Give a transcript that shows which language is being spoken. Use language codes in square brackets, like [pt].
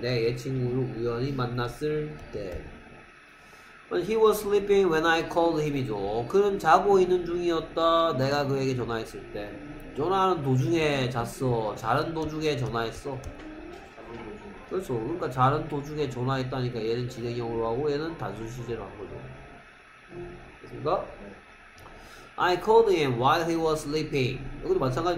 [ko] 내 친구를 우연히 만났을 때. [en] But he was sleeping when I called him이죠. [ko] 그는 자고 있는 중이었다. 내가 그에게 전화했을 때. 전화하는 도중에 잤어. 자는 도중에 전화했어. 그렇죠. 그러니까 자는 도중에 전화했다니까 얘는 진행형으로 하고 얘는 단순 시제로 한 거죠. 됐습니까? [en] I called him while he was sleeping. [ko] 여기도 마찬가지.